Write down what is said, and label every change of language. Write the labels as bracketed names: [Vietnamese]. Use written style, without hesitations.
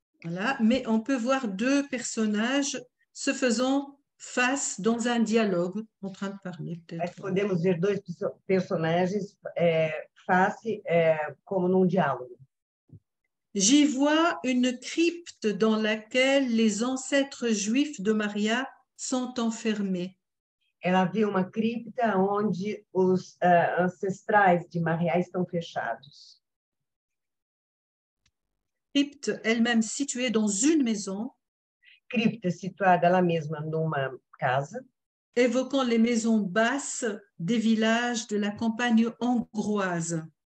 [French] Voilà, mais on peut voir deux personnages se faisant face dans un dialogue en train de parler peut-être. [Portuguese] Podemos ver dois personagens face como num diálogo. [French] J'y vois une crypte dans laquelle les ancêtres juifs de Maria sont enfermés. [Portuguese] Ela vê uma cripta onde os ancestrais de Maria estão fechados. [French] Crypte elle-même située dans une maison. [Portuguese] Cripta situada ela mesma numa casa. [French] Évoquant les maisons basses des villages de la campagne hongroise.